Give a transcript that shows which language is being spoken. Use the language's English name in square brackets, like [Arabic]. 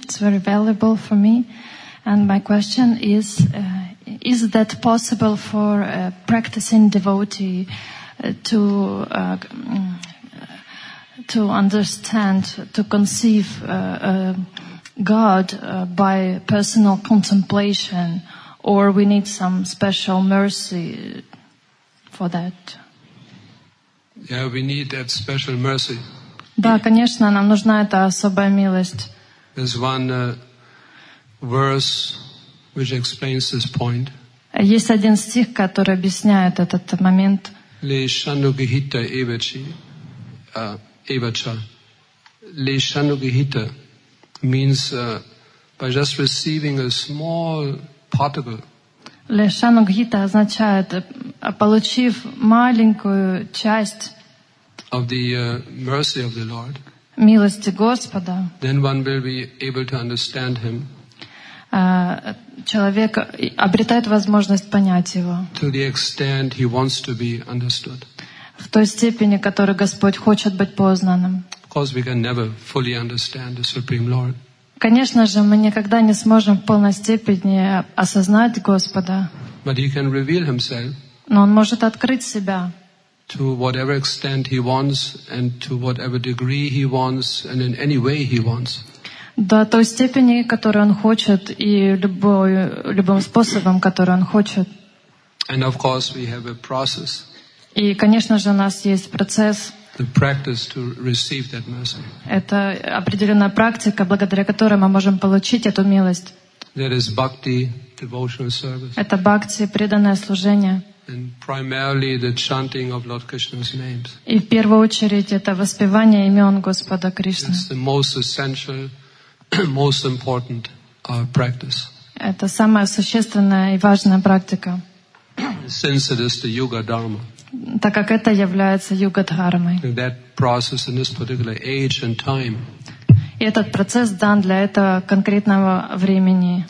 [English] It's very valuable for me. And my question is that possible for a practicing devotee to understand, to conceive God by personal contemplation, or we need some special mercy for that? Yeah, we need that special mercy. [Russian] Да, конечно, нам нужна эта особая милость. [English] There's one verse which explains this point. [Russian] Есть один стих, который объясняет этот момент. [Sanskrit] Лешанугихита эвачи, эвача. [English] Лешанугихита means by just receiving a small particle. [Russian] Лешанугихита означает, получив маленькую часть [English] of the mercy of the Lord. [Russian] Милости Господа. [English] Then one will be able to understand him. [Russian] Человек обретает возможность понять его. [English] To the extent he wants to be understood. [Russian] В той степени, которой Господь хочет быть познанным. [English] Of course we can never fully understand the Supreme Lord. [Russian] Конечно же, мы никогда не сможем в полной степени осознать Господа. [English] But he can reveal himself. [Russian] Но он может открыть себя. [English] To whatever extent he wants, and to whatever degree he wants, and in any way he wants. [Russian] До той степени, которую он хочет, и любым способом, который он хочет. [English] And of course, we have a process. [Russian] И, конечно же, у нас есть процесс. [English] The practice to receive that mercy. [Russian] Это определенная практика, благодаря которой мы можем получить эту милость. [English] There is bhakti, devotional service. [Russian] Это бхакти, преданное служение. [English] And primarily the chanting of Lord Krishna's names. [Russian] И в первую очередь это воспевание имен Господа Кришны. [English] It's the most essential, most important practice. [Russian] Это самая существенная и важная практика. [English] Since it is the Yuga Dharma. [Russian] Так как это является Юга Дхармой. [English] That process in this particular age and time. [Russian] И этот процесс дан для этого конкретного времени.